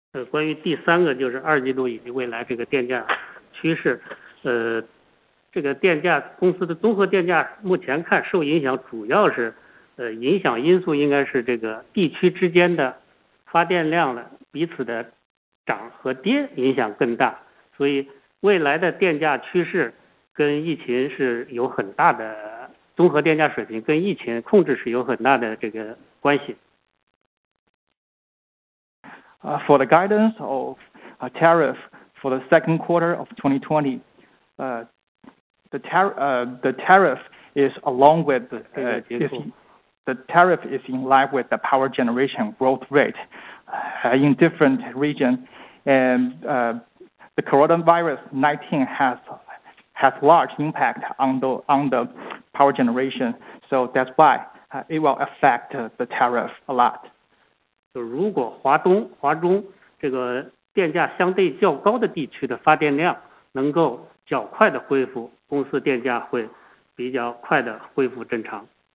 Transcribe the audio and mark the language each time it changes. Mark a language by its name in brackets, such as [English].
[Chinese] 关于第三个就是二季度以及未来这个电价趋势，这个电价公司的综合电价目前看受影响主要是，影响因素应该是这个地区之间的发电量的彼此的涨和跌影响更大，所以未来的电价趋势跟疫情是有很大的综合电价水平跟疫情控制是有很大的这个关系。 [English] For the guidance of a tariff for the second quarter of 2020, the tariff is in line with the power generation growth rate in different regions, and the coronavirus 19 has large impact on the power generation, so that's why it will affect the tariff a lot. [Chinese] 如果华中这个电价相对较高的地区的发电量能够较快的恢复，公司电价会比较快的恢复正常。